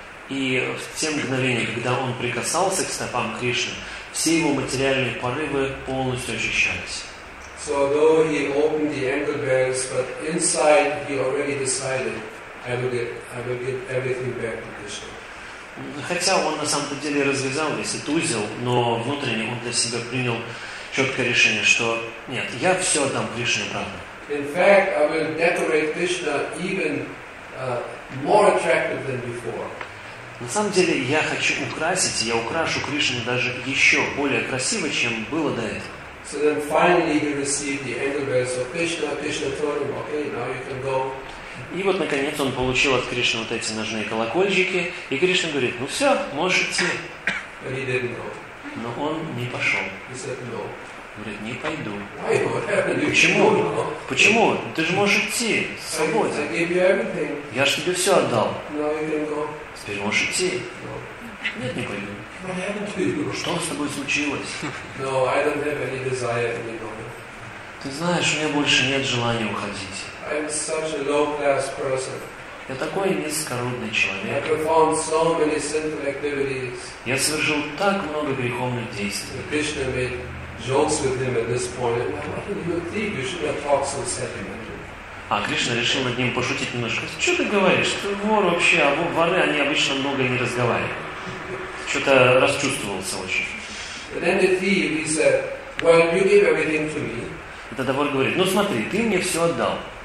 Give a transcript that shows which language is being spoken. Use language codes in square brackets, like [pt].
[ru] И в те мгновения, когда он прикасался к стопам Кришны, все его материальные порывы полностью очищались. [en] So though he opened the ankle bands, but inside he already decided, I will give everything back to Krishna. [ru] Хотя он на самом деле развязал весь этот узел, но внутренне он для себя принял четкое решение, что нет, я все отдам Кришне, правда. [en] In fact, I will decorate Krishna even more attractive than before. [ru] На самом деле, я хочу украсить, я украшу Кришну даже еще более красиво, чем было до этого. [en] So then finally he received the ankle bands of Krishna. Krishna told him, okay, now you can go. [ru] И вот, наконец, он получил от Кришны вот эти ножные колокольчики, и Кришна говорит, ну все, можешь идти. Но он не пошел. Говорит, не пойду. Почему? Почему? Ты же можешь идти, свободен. Я же тебе все отдал. Теперь можешь идти. Нет, не пойду. Что с тобой случилось? Ты знаешь, у меня больше нет желания уходить. [en] I'm such a low-class person. [ru] Я такой низкородный человек. [en] I performed so many sinful activities. [ru] Я совершил так много греховных действий. [en] Krishna made jokes with him at this point. What do you think? You should have talked so sentimental. [ru] А Кришна решил над ним пошутить немножко. Что ты говоришь? Ты вор вообще, а воры они обычно много не разговаривают. Что-то расчувствовался очень. [en] But then the thief, he said, well, you give everything to me. [ru] Тогда вор говорит, ну смотри, ты мне все отдал.